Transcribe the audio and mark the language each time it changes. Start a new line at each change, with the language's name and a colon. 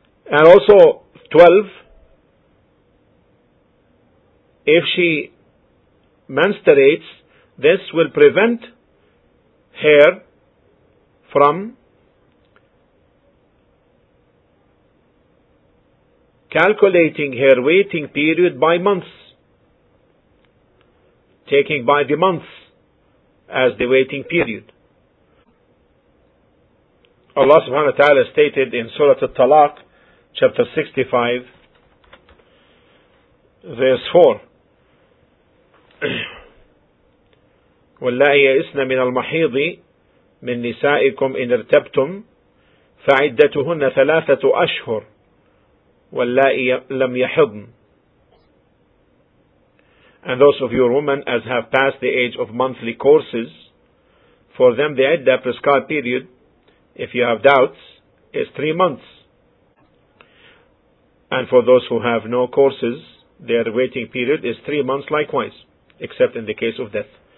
English: And also, 12, if she menstruates, this will prevent her from calculating her waiting period by months, taking by the months as the waiting period. Allah subhanahu wa ta'ala stated in Surah At-Talaq, chapter 65, verse 4,
Arabic: واللائي يئسن من المحيض من نسائكم إن ارتبتم فعدتهن ثلاثة أشهر واللائي لم يحضن.
English: And those of your women as have passed the age of monthly courses, for them the iddah prescribed period, if you have doubts, is 3 months. And for those who have no courses, their waiting period is 3 months likewise, except in the case of death.